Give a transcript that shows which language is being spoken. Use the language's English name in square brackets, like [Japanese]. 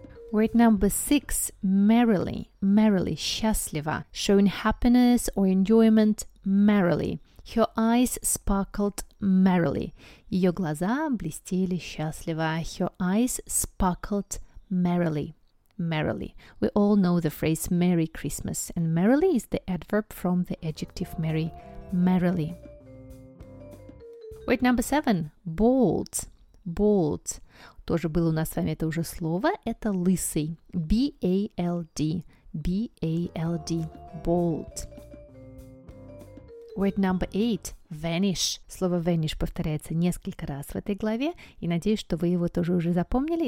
[English] Word number six, merrily, merrily, счастливо, showing happiness or enjoyment, merrily. Her eyes sparkled merrily. [Russian] Ее глаза блестели счастливо. [English] Her eyes sparkled merrily, merrily. We all know the phrase Merry Christmas, and merrily is the adverb from the adjective merry, merrily. Word number seven, bald, bald. [Russian] Тоже было у нас с вами это уже слово. Это лысый. [English] B-A-L-D. B-A-L-D. Bald. Word number eight. Vanish. [Russian] Слово vanish повторяется несколько раз в этой главе. И надеюсь, что вы его тоже уже запомнили.